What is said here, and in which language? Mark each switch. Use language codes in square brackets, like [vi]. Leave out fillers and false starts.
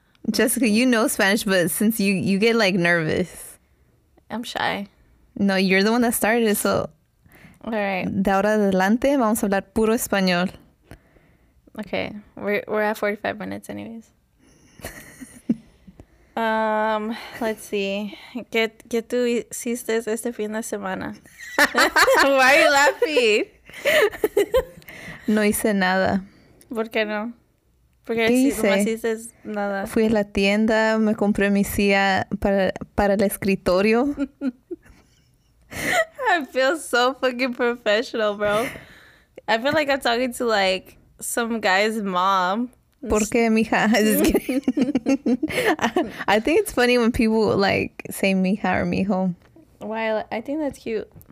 [en] Jessica, you know Spanish, but since you get, like, nervous. I'm shy. No, you're the one that started it, so. All right. [es] De ahora adelante, vamos a hablar puro español. [en] Okay, we're at 45 minutes anyways. Let's see. [es] ¿Qué tú hiciste este fin de semana? [en] Why are you laughing? [es] No hice nada. ¿Por qué no? Porque ¿qué hice? Nomás hice nada. Fui a la tienda, me compré mi silla para el escritorio. [en] I feel so fucking professional, bro. I feel like I'm talking to, like, some guy's mom. [es] ¿Por qué, mija? [en] Just kidding. I think it's funny when people like say mija or mijo. Why? I think that's cute.